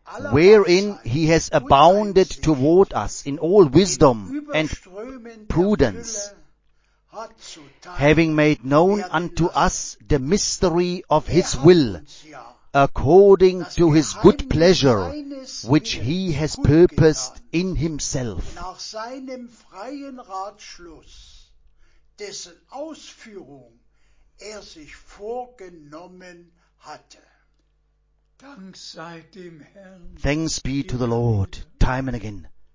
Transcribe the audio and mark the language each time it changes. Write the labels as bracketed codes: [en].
[en] Wherein he has abounded toward us in all wisdom and prudence, having made known unto us the mystery of his will, according to his good pleasure, which he has purposed in himself. [de] Nach seinem freien Ratschluss, dessen Ausführung er sich vorgenommen hatte. [en] Thanks be to the Lord, time and again.